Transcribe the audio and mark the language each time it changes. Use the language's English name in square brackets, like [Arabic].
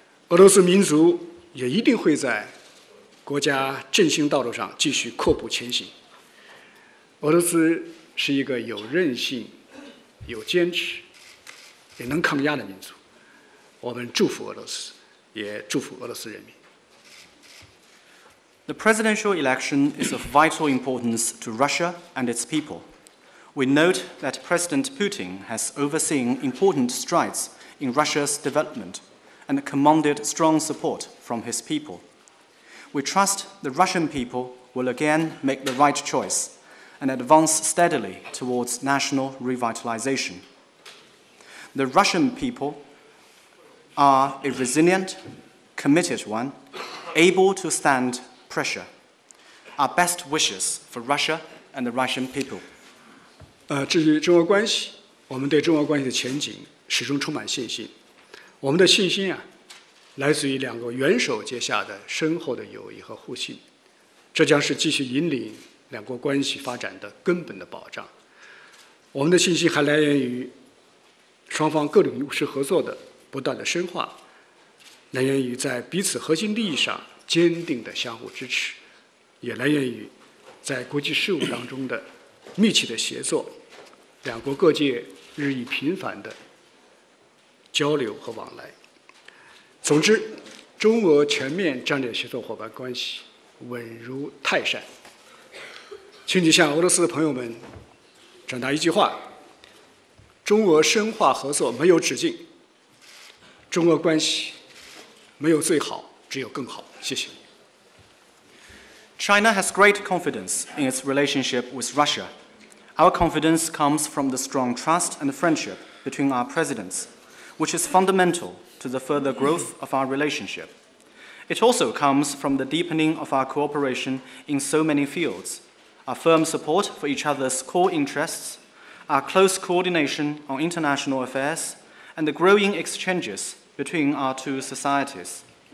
[Chinese] 俄罗斯民族也一定会在国家振兴道路上继续阔步前行。俄罗斯是一个有韧性、有坚持、也能抗压的民族。我们祝福俄罗斯，也祝福俄罗斯人民。 [English] The presidential election is of vital importance to Russia and its people. We note that President Putin has overseen important strides in Russia's development and commanded strong support from his people. We trust the Russian people will again make the right choice and advance steadily towards national revitalization. The Russian people are a resilient, committed one, able to stand pressure. Our best wishes for Russia and the Russian people. [Chinese] 至于中俄关系，我们对中俄关系的前景始终充满信心。我们的信心啊来自于两个元首结下的深厚的友谊和互信，这将是继续引领两国关系发展的根本的保障。我们的信心还来源于双方各种务实合作的不断的深化，来源于在彼此核心利益上坚定的相互支持，也来源于在国际事务当中的密切的协作，两国各界日益频繁的交流和往来。总之，中俄全面战略协作伙伴关系稳如泰山。请你向俄罗斯的朋友们转达一句话：中俄深化合作没有止境，中俄关系没有最好，只有更好。谢谢。 [English] China has great confidence in its relationship with Russia. Our confidence comes from the strong trust and friendship between our presidents, which is fundamental to the further growth of our relationship. It also comes from the deepening of our cooperation in so many fields, our firm support for each other's core interests, our close coordination on international affairs, and the growing exchanges between our two societies.